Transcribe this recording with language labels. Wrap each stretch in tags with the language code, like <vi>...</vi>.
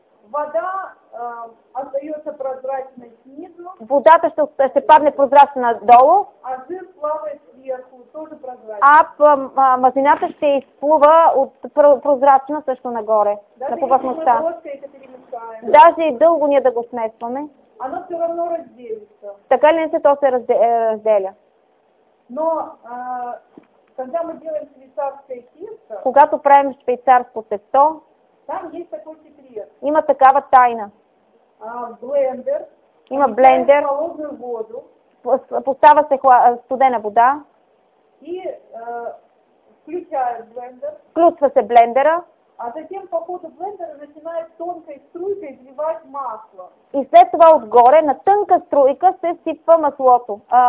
<ru>Вода остается прозрачной снизу.</ru> <bg>Водата ще падне прозрачно надолу.</bg> <ru>А жир плавает сверху, тоже прозрачно.</ru> <bg>Мазнината ще изплува от прозрачно също нагоре.</bg> <ru>Даже</ru> <bg>на повърхността.</bg> <ru>Ложка,</ru> <bg>даже и дълго ние да го смесваме.</bg> <ru>Оно все равно разделится.</ru> <bg>Така ли не се, то се разделя.</bg> <ru>Но когда мы делаем швейцарское тесто,</ru> <bg>когато правим швейцарско тесто,</bg> <ru>там есть такой секрет.</ru> <bg>Има такава тайна.</bg> <ru>Блендер.</ru> <bg>Има блендер.</bg> <ru>Холодную воду.</ru> <bg>Поставя се студена вода.</bg> <ru>И включаешь блендер.</ru> <bg>Включва се блендера.</bg> <ru>А затем по ходу блендера начинает тонкой струйкой изливать масло.</ru> <bg>И след това отгоре на тънка струйка се сипва маслото.</bg>